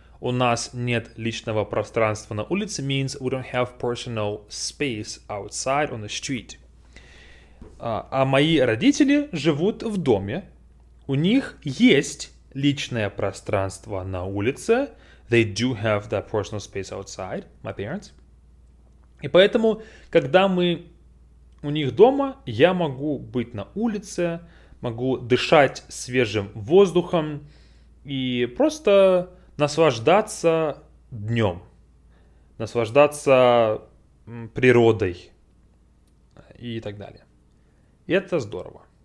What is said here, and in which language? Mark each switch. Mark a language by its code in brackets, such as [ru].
[ru] У нас нет личного пространства на улице [en] means we don't have personal space outside on the street. [ru] А мои родители живут в доме. У них есть личное пространство на улице. [en] They do have that personal space outside, my parents. [ru] И поэтому, когда мы у них дома, я могу быть на улице, могу дышать свежим воздухом и просто наслаждаться днем, наслаждаться природой и так далее. И это здорово.